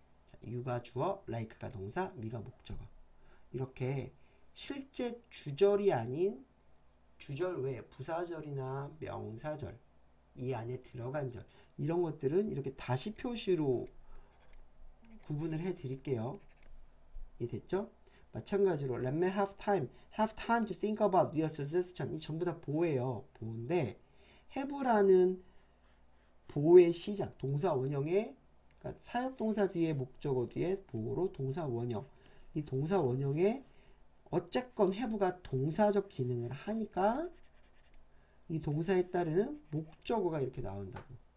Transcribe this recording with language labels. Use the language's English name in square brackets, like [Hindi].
[Korean] 자, you가 주어, like가 동사, me가 목적어. 이렇게 실제 주절이 아닌 주절 외에 부사절이나 명사절, 이 안에 들어간 절, 이런 것들은 이렇게 다시 표시로 구분을 해 드릴게요. 이해됐죠? 마찬가지로 [English] let me have time to think about your suggestion. [Korean] 이 전부 다 보예요. 보인데 have라는 보의 시작, 동사 원형에 그러니까 사역 동사 뒤에 목적어 뒤에 보로 동사 원형. 이 동사 원형에 어쨌건 have가 동사적 기능을 하니까 이 동사에 따르는 목적어가 이렇게 나온다고.